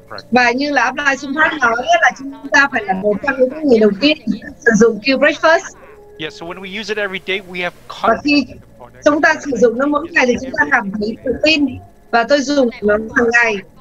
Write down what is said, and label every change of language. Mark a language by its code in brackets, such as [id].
[vi] Và như là Apply Sumpath nói là chúng ta phải là một trong những người đầu tiên sử dụng Q-Break first. [en] Yeah, so when we use it every day, we have [vi] chúng ta sử dụng nó mỗi ngày thì chúng ta cảm thấy tự tin và tôi dùng nó hàng ngày.